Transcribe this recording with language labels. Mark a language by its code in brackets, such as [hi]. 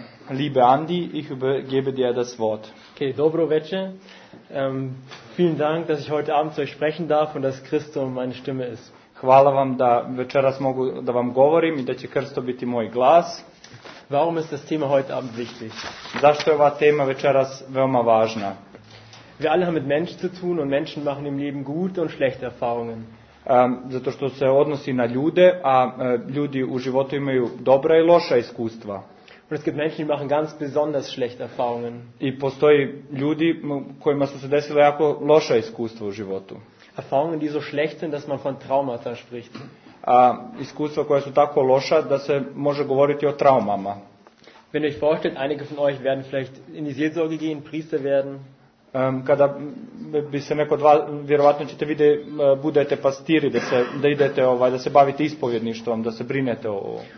[de] Liebe Andi, ich gebe dir das Wort. [bs] Okay, dobro večer. [de] Vielen Dank, dass ich heute Abend zu euch sprechen darf und dass Christo meine Stimme ist. [bs] Hvala vam da večeras mogu da vam govorim i da će Krsto biti moj glas. [de] Warum ist das Thema heute Abend wichtig? [bs] Zašto je ova tema večeras veoma važna? [de] Wir alle haben mit Menschen zu tun und Menschen machen im Leben gute und schlechte Erfahrungen. [bs] Zato što se odnosi na ljude, a ljudi u životu imaju dobra i loša iskustva. [de] Und es gibt Menschen, die machen ganz besonders schlechte Erfahrungen. [bs] I postoji ljudi kojima su se desila jako loša iskustva u životu. [de] Erfahrungen, die so schlecht sind, dass man von Traumata spricht. [bs] Iskustva koja su tako loša da se može govoriti o traumama. [de] Wenn ihr euch vorstellt, einige von euch werden vielleicht in die Seelsorge gehen, Priester werden. [bs] Kada bi se neko dva, vjerovatno ćete vide, budete pastiri, da se, da idete ovaj, da se bavite ispovjedništvom, da se brinete o...